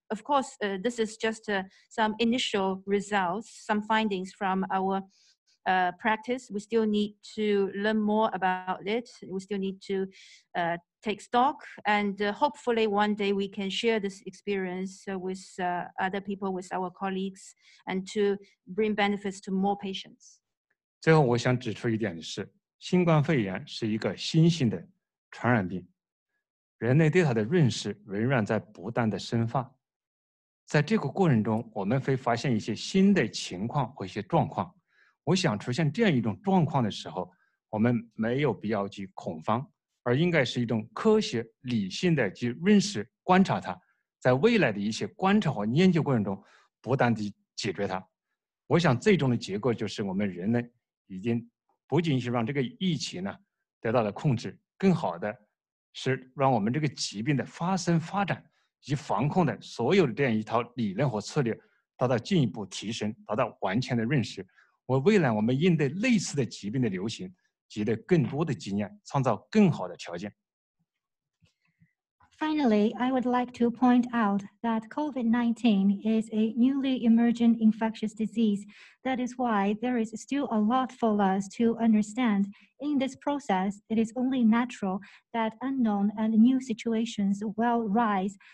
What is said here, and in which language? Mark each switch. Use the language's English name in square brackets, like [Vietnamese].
[English] Of course, this is just some initial results, some findings from our practice. We still need to learn more about it. We still need to take stock. And hopefully one day we can share this experience with other people, with our colleagues, and to bring benefits to more patients. [Chinese] 最后我想指出一点的是，新冠肺炎是一个新型的传染病，人类对它的认识仍然在不断的深化，在这个过程中我们会发现一些新的情况和一些状况。我想出现这样一种状况的时候，我们没有必要去恐慌，而应该是一种科学理性的去认识观察它，在未来的一些观察和研究过程中不断地解决它。我想最终的结果就是我们人类已经不仅是让这个疫情呢得到了控制，更好的是让我们这个疾病的发生发展以及防控的所有的这样一套理论和策略达到进一步提升，达到完全的认识。我未来我们应对类似的疾病的流行积累更多的经验，创造更好的条件。 [English] Finally, I would like to point out that COVID-19 is a newly emergent infectious disease. That is why there is still a lot for us to understand. In this process, it is only natural that unknown and new situations will rise.